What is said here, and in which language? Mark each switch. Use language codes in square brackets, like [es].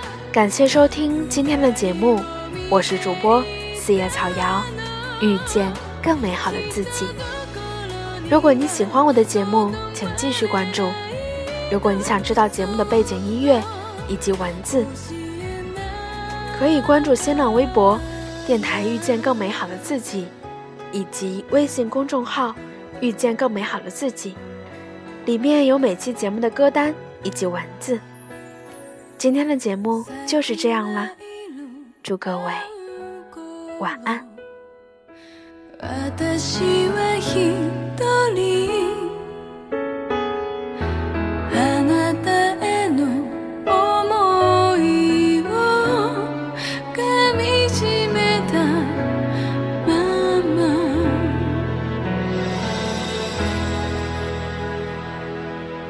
[zh] 感谢收听今天的节目，我是主播四叶草瑶，遇见更美好的自己。如果你喜欢我的节目，请继续关注。如果你想知道节目的背景音乐以及文字，可以关注新浪微博电台遇见更美好的自己，以及微信公众号遇见更美好的自己，里面有每期节目的歌单以及文字。今天的节目就是这样了，祝各位晚安。 [ja] 私は一人あなたへの思いを噛みしめたまま